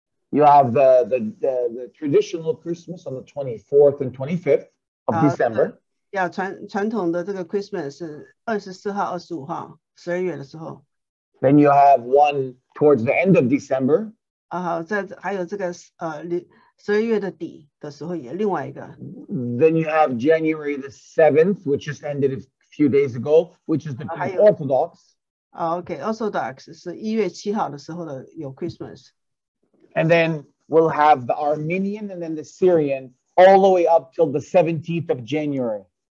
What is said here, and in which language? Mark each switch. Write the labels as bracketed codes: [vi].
[en] You have the traditional Christmas on the 24th and 25th of December. [zh] Yeah, 传统的这个 Christmas 是24号、25号，12月的时候. [en] Then you have one towards the end of December. [zh] 啊，好，在还有这个12月的底的时候也另外一个. [en] Then you have January the 7th, which just ended a few days ago, which is the Orthodox. Okay, Orthodox is [zh] 1月7号的时候的有 Christmas. [en] And then we'll have the Armenian and then the Syrian all the way up till the 17th of January.